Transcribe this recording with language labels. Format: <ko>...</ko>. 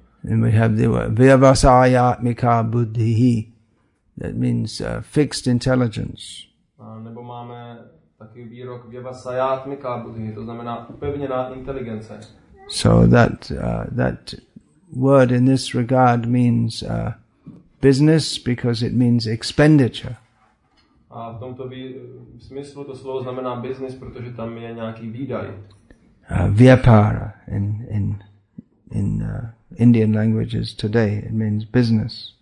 <en>And we have the word</en> <sa>vyavasayatmika buddhihi.</sa> <en>That means fixed intelligence.</en> <cs>Nebo máme taky výrok</cs> <sa>vyavasayatmika buddhihi.</sa> <cs>To znamená upevněná inteligence.</cs> <en>So that word in this regard means business, because it means expenditure.</en> <cs>A v tomto smyslu to slovo znamená business, protože tam je nějaký výdaj.</cs> <en>Vyapara in Indian languages today, it means business.</en>